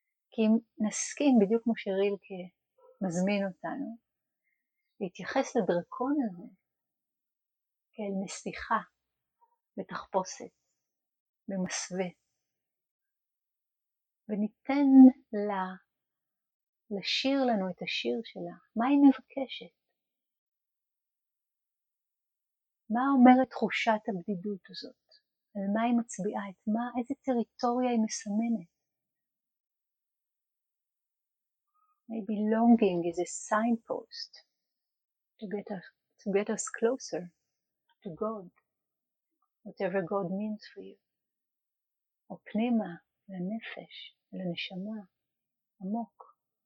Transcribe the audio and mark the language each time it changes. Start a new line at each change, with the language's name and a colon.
Hebrew: כי אם נסכים, בדיוק כמו שרילקה מזמין אותנו, להתייחס לדרקון הזה כאל נסיכה בתחפושת, במסווה, וניתן לה לשיר לנו את השיר שלה, מה היא מבקשת? מה אומרת תחושת הבדידות הזאת? על מה היא מצביעה? את מה, איזה טריטוריה היא מסמנת?
English: Maybe longing is a signpost to get us closer to God, whatever God means for you.
Hebrew: או פנימה, לנפש, לנשמה, עמוק.